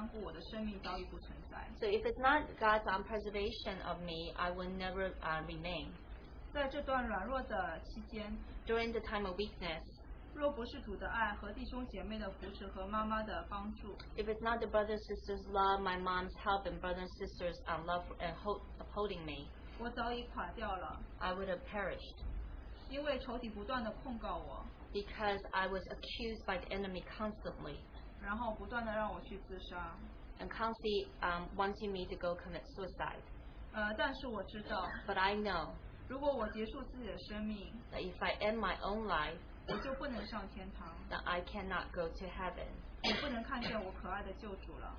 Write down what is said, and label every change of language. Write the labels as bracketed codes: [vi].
[en] So if it's not God's preservation of me, I will never remain. [zh] 在这段软弱的期间, [en] during the time of weakness, [zh] 若不是主的爱和弟兄姐妹的扶持和妈妈的帮助, [en] if it's not the brothers and sisters' love, my mom's help, and brothers and sisters' love and upholding me, [zh] 我早已垮掉了, [en] I would have perished. [zh] 因为仇敌不断地控告我, [en] because I was accused by the enemy constantly. [zh] 然后不断地让我去自杀, [en] and constantly wanting me to go commit suicide. [zh] 但是我知道, [en] but I know, [zh] 如果我结束自己的生命, [en] that if I end my own life, [zh] 我就不能上天堂, [en] that I cannot go to heaven. [zh] 我不能看见我可爱的救主了,